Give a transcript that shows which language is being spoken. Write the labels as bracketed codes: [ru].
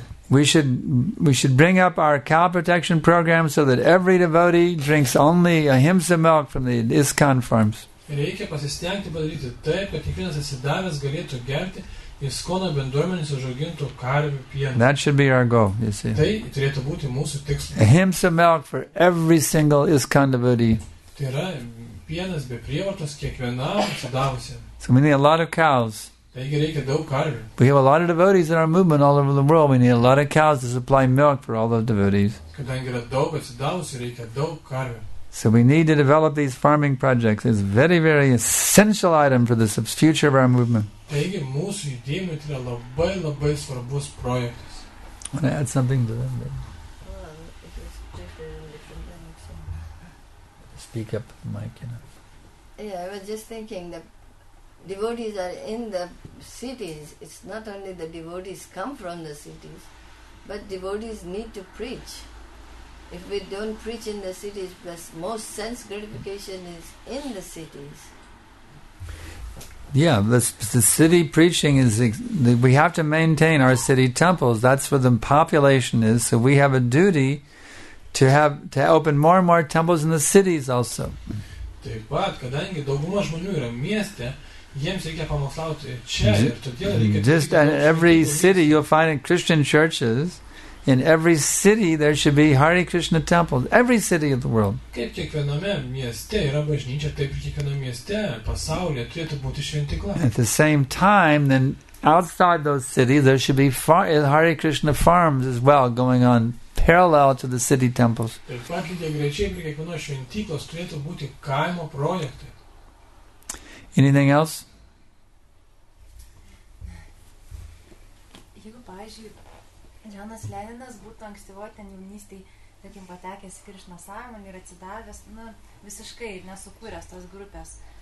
[en] We should bring up our cow protection program so that every devotee drinks only ahimsa milk from the ISKCON farms. [lt] Reikia pasistengti padaryti taip, kad kiekvienas atsidavęs galėtų gerti ISKCONo bendruomenės užaugintų karvių pieną. [en] That should be our goal, you see. [lt] Tai turėtų būti mūsų tikslas. [en] Ahimsa milk for every single ISKCON devotee. [lt] Tai yra pienas be prievartos kiekvienam atsidavusiam. [en] So we need a lot of cows. [lt] Taigi reikia daug karvių. [en] We have a lot of devotees in our movement all over the world. We need a lot of cows to supply milk for all those devotees. [lt] Kadangi yra daug atsidavusių, reikia daug karvių. [en] So we need to develop these farming projects. It's a very, very essential item for the future of our movement. [lt] Taigi, mūsų judėjimai tai yra labai, labai svarbus projektas. [en] Want to add something to that? Well, it is different than speak up the mic, you know. Yeah, I was just thinking that devotees are in the cities. It's not only the devotees come from the cities, but devotees need to preach. If we don't preach in the cities, plus most sense gratification is in the cities. Yeah, the city preaching is, we have to maintain our city temples. That's where the population is. So we have a duty to open more and more temples in the cities also. [lt] Taip pat, kadangi dauguma žmonių yra mieste, jiems reikia pamokslauti čia, ir todėl reikia... [en] Just in every city, you'll find in Christian churches, in every city there should be Hare Krishna temples, every city of the world. [lt] Kaip kiekviename mieste yra bažnyčia, taip ir kiekviename mieste pasaulyje turėtų būti šventykla. [en] At the same time, then outside those cities there should be Hare Krishna farms as well going on parallel to the city temples. [lt] Ir pat lygiagrečiai prie kiekvienos šventyklos turėtų būti kaimo projektai. [en] Anything else? [lt] Jonas Leninas būtų ankstyvoj ten jaunystėj, tarkim, patekęs į Krishna sąjungą ir atsidavęs, nu, visiškai nesukūręs tos grupės.